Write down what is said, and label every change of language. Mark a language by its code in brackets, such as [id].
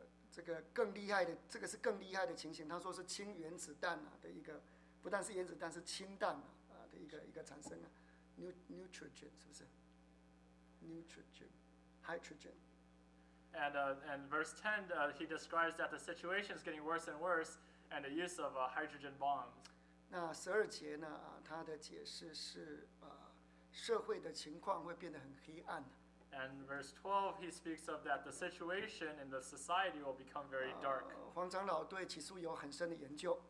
[zh] 这个更厉害的，这个是更厉害的情形。他说是氢原子弹啊的一个，不但是原子弹，是氢弹啊的一个产生啊 ，nitrogen 是不是 ？nitrogen，hydrogen。 [en] And verse 10, he describes that the situation is getting worse and worse, and the use of hydrogen bombs. [zh] 那十二节呢？他的解释是社会的情况会变得很黑暗。 [en] And verse 12, he speaks of that the situation in the society will become very dark. [zh] 黄长老对起诉有很深的研究。